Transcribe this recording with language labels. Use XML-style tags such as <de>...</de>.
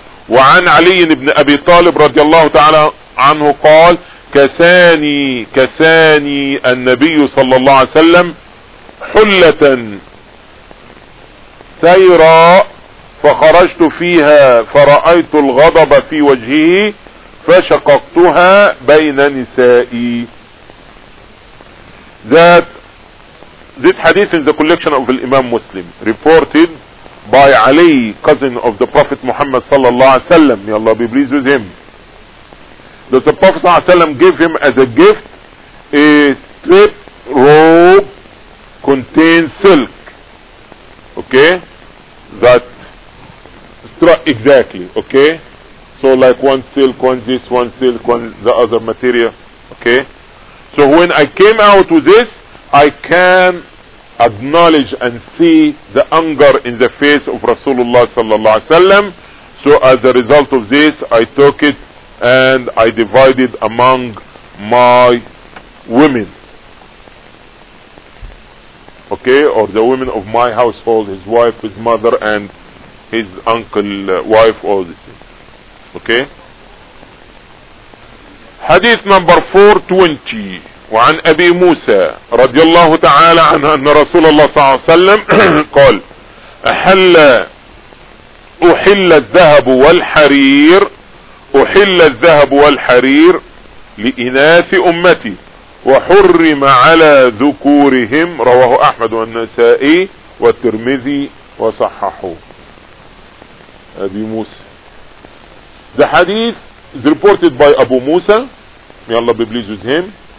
<ar>وعن علي بن أبي طالب رضي الله تعالى عنه قال كساني النبي صلى الله عليه وسلم حلة سيرا فخرجت فيها فرأيت الغضب في وجهه فشققتها بين نسائي.</ar> <en>This hadith in the collection of Imam Muslim, reported by Ali, cousin of the Prophet Muhammad</en> <ar>صلى الله عليه وسلم,</ar> <en>may Allah be pleased with him, that the Prophet ﷺ gave him as a gift a strip robe contained silk. Okay? That struck exactly. Okay? So like one silk, one this, one silk, one the other material. Okay? So when I came out with this, I can acknowledge and see the anger in the face of Rasulullah ﷺ. So as a result of this, I took it and I divided among my women, okay, or the women of my household, his wife, his mother, and his uncle, wife, all this, okay. Hadith number 420.</en> <ar>وعن أبي موسى رضي الله تعالى عنه أن رسول الله صلى الله عليه وسلم قال أحل أحل الذهب والحرير أحل الذهب والحرير لإناث أمتي وحرم على ذكورهم. رواه أحمد والنسائي والترمذي وصححه. أبي موسى.</ar> <en>The hadith is reported by Abu Musa, may Allah be pleased with him.</en>